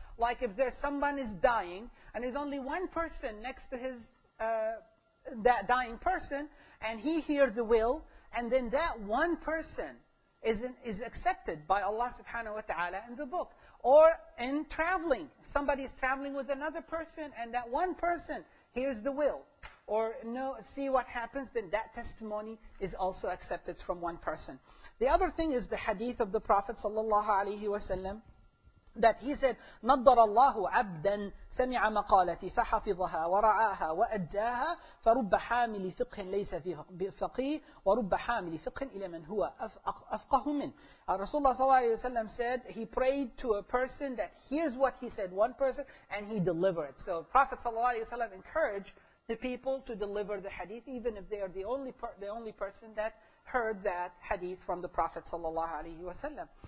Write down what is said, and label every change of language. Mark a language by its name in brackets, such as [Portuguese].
[English] Like if there's someone is dying, and there's only one person next to his that dying person, and he hears the will, and then that one person is accepted by Allah subhanahu wa ta'ala in the book. Or in traveling, somebody is traveling with another person, and that one person hears the will. Or no, see what happens, then that testimony is also accepted from one person. The other thing is the hadith of the Prophet sallallahu alayhi wa sallam, that he said, [Arabic] نَضَّرَ اللَّهُ عَبْدًا سَمِعَ مَقَالَتِي فَحَفِظَهَا وَرَعَاهَا وَأَدَّاهَا فَرُبَّ حَامِلِ فِقْهٍ لَيْسَ فِقِهِ وَرُبَّ حَامِلِ فِقْهٍ إِلَى مَنْ هُوَ أَفْقَهُ مِنْهُ. [English] Rasulullah صلى الله عليه وسلم said, he prayed to a person that hears what he said, one person, and he delivered. So Prophet صلى الله عليه وسلم encouraged the people to deliver the hadith, even if they are the only person that heard that hadith from the Prophet sallallahu alayhi wa sallam.